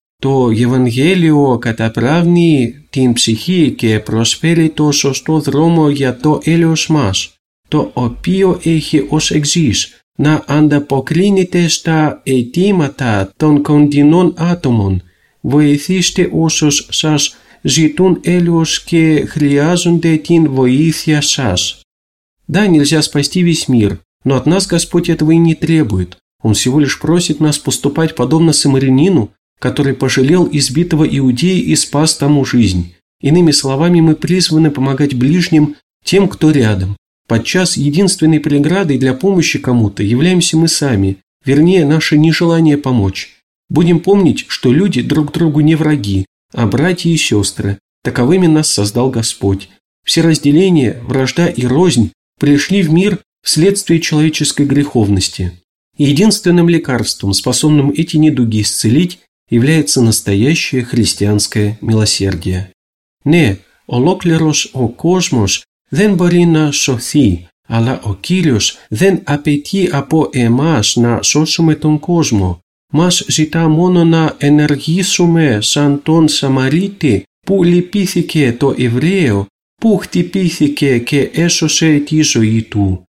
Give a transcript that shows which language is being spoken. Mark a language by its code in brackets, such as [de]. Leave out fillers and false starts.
[el] Το Ευαγγέλιο καταπράβνει την ψυχή και προσφέρει το σωστό δρόμο για το έλεος μας, το οποίο έχει ως εξής να ανταποκρίνεται στα αιτήματα των κοντινών άτομων. Βοηθήστε όσους σας ζητούν έλεος και χρειάζονται την βοήθεια σας. [ru] «Да, нельзя спасти весь мир, но от нас Господь этого и не требует. Он всего лишь просит нас поступать подобно самарянину, который пожалел избитого иудея и спас тому жизнь. Иными словами, мы призваны помогать ближним, тем, кто рядом. Подчас единственной преградой для помощи кому-то являемся мы сами, вернее, наше нежелание помочь. Будем помнить, что люди друг другу не враги, а братья и сестры. Таковыми нас создал Господь. Все разделения, вражда и рознь пришли в мир вследствие человеческой греховности. Единственным лекарством, способным эти недуги исцелить, является настоящее христианское милосердие. [el] Ne, ολόκληρος ο κόσμος δεν μπορεί να σωθεί, αλλά ο Κύριος δεν απαιτεί από εμάς να σώσουμε τον κόσμο. Μας ζητά μόνο να ενεργήσουμε σαν τον Σαμαρίτη που λυπήθηκε το Εβραίο, που χτυπήθηκε και έσωσε τη ζωή του.